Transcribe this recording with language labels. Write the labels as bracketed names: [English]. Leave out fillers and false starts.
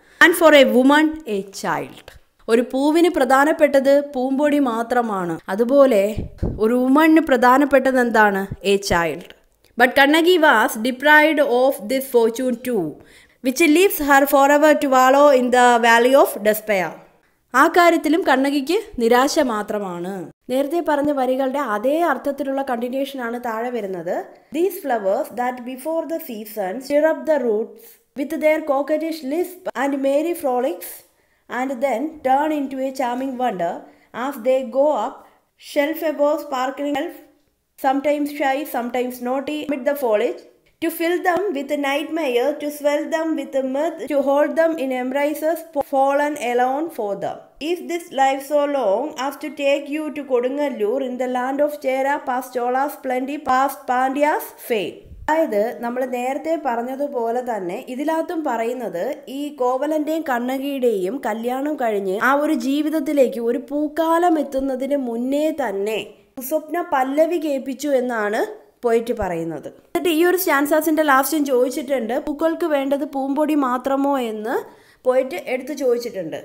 [English] And for a woman a child. [Malayalam] ഒരു പൂവിന് പ്രധാനപ്പെട്ടത് പൂമ്പൊടി മാത്രമാണ്, അതുപോലെ ഒരു വുമണ് പ്രധാനപ്പെട്ടത് എന്താണ്? [English] A child. But Kannaki was deprived of this fortune to which leaves her forever to wallow in the valley of despair. [Malayalam] ആ കാര്യത്തിലും കണ്ണകിക്ക് നിരാശ മാത്രമാണ്. നേരത്തെ പറഞ്ഞ വരികളുടെ അതേ അർത്ഥത്തിലുള്ള കണ്ടിന്യൂഷൻ ആണ് താഴെ വരുന്നത്. [English] these flowers that before the season stir up the roots with their coquettish lisp and merry frolics and then turn into a charming wonder as they go up shelf above sparkling elf sometimes shy sometimes naughty amid the foliage to fill them with a nightmare to swell them with a myth to hold them in embraces fallen alone for them is this life so long as to take you to kodungallur in the land of chera past chola splendid past pandya's fate [Malayalam] അതായത് നമ്മൾ നേരത്തെ പറഞ്ഞതുപോലെ തന്നെ ഇതിലകത്തും പറയുന്നത് ഈ കോവലന്റെയും കണ്ണകിയുടെയും കല്യാണം കഴിഞ്ഞ് ആ ഒരു ജീവിതത്തിലേക്ക് ഒരു പൂക്കാലം എത്തുന്നതിന് മുന്നേ തന്നെ സ്വപ്ന പല്ലവി കേൾപ്പിച്ചു എന്നാണ് പോയിട്ട് പറയുന്നത്. എന്നിട്ട് ഈ ഒരു സ്റ്റാൻസാസിന്റെ ലാസ്റ്റും ചോദിച്ചിട്ടുണ്ട്, പൂക്കൾക്ക് വേണ്ടത് പൂമ്പൊടി മാത്രമോ എന്ന് പോയിട്ട് എടുത്തു ചോദിച്ചിട്ടുണ്ട്.